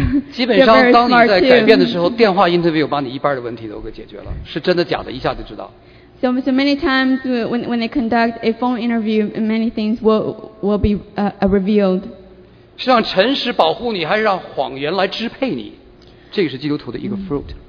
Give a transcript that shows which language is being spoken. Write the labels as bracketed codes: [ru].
[zh] 基本上当你在改变的时候，电话 interview 把你一半的问题都给解决了，是真的假的，一下就知道。 [en] So many times when they conduct a phone interview, many things will be revealed. [zh] 是让诚实保护你，还是让谎言来支配你？这个是基督徒的一个 fruit.